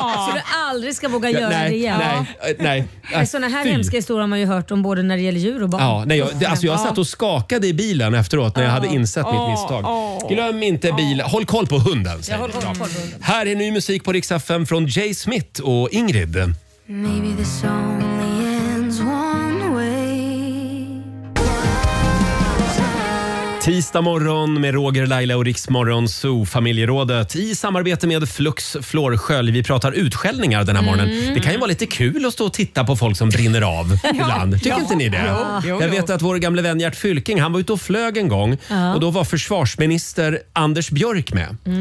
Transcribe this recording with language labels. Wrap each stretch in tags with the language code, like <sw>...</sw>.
<sv>Så du aldrig ska våga göra det igen. Nej. Sådana här hemska historier har man ju hört om, både när det gäller djur och barn. Ja, nej, jag satt och skakade i bilen efteråt när jag hade insett mitt misstag. Glöm inte bilen. Håll koll på hunden. Jag håller koll på hunden. Här är ny musik på Rix FM från Jay Smith och Ingrid.</sv> <en>Maybe the song ends one way.</en> <sv>Tisdag morgon med Roger, Laila och Riksmorgon Zoo, familjerådet, i samarbete med Flux Florskölj. Vi pratar utskällningar den här morgonen. Det kan ju vara lite kul att stå och titta på folk som brinner av ibland. Tycker inte ni det? Jag vet att vår gamle vän Gert Fylking, han var ute och flög en gång. Och då var försvarsminister Anders Björk med.</sv>